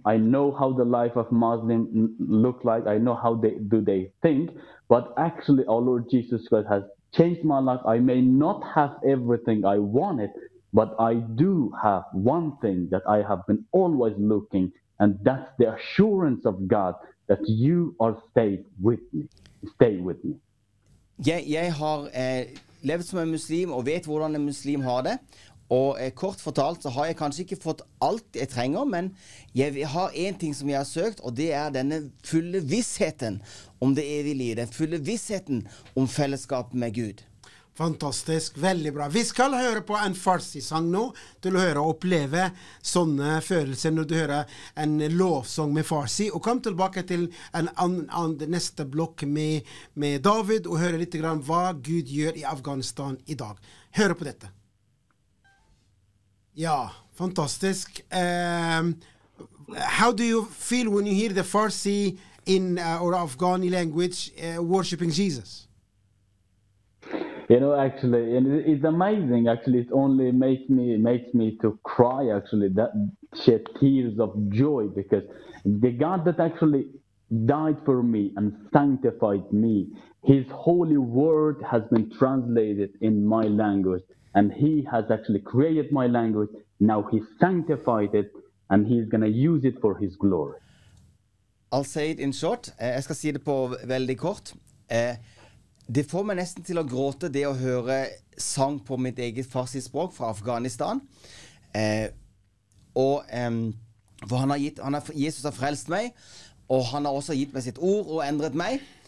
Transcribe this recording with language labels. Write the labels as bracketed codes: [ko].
[en] I know how the life of Muslim look like. I know how they do they think, but actually our Lord Jesus Christ has changed my life. I may not have everything I wanted, but I do have one thing that I have been always looking, and that's the assurance of God that you are safe with me. Stay with me. [no] Jeg har levd som en muslim og vet hvordan en muslim har det. Og kort fortalt så har jeg kanskje ikke fått alt jeg trenger, men jeg har en ting som jeg har søkt, og det er denne fulle vissheten om det evige livet, den fulle vissheten om fellesskap med Gud. Fantastisk, veldig bra. Vi skal høre på en farsi-sang nå, til å høre og oppleve sånne følelser når du hører en lovsang med farsi. Og kom tilbake til neste blokk med David og høre litt grann hva Gud gjør i Afghanistan i dag. Hør på dette. Ja, fantastisk. [en] How do you feel when you hear the Farsi in or Afghani language worshiping Jesus? You know, actually, and it's amazing. Actually, it only makes me to cry. Actually, that shed tears of joy, because the God that actually died for me and sanctified me, His holy word has been translated in my language. And he has actually created my language, now he sanctified it, and he's going to use it for his glory. I'll say it in short. [no] Jeg skal si det på veldig kort. Det får meg nesten til å gråte det å høre sang på mitt eget farsis språk fra Afghanistan. Hvor han har gitt, han har, Jesus har frelst meg, og han har også gitt meg sitt ord og endret meg.